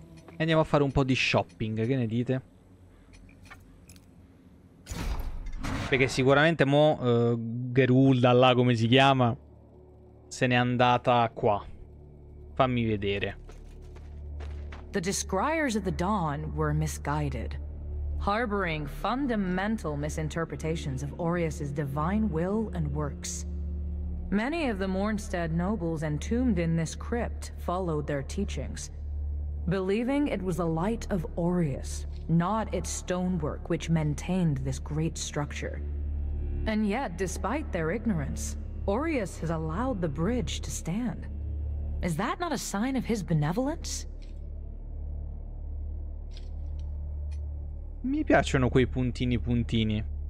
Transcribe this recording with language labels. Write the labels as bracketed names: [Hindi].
[Italian] E andiamo a fare un po' di shopping, che ne dite? Perché sicuramente mo Gerulda là, come si chiama, se n'è andata qua. Fammi vedere. [English] The descriers of the dawn were misguided, harboring fundamental misinterpretations of Aureus's divine will and works. Many of the Mornstead nobles entombed in this crypt followed their teachings, believing it was the light of Aureus, not its stonework, which maintained this great structure. And yet, despite their ignorance, Aureus has allowed the bridge to stand. Is that not a sign of his benevolence? [Italian] Mi piacciono quei puntini puntini.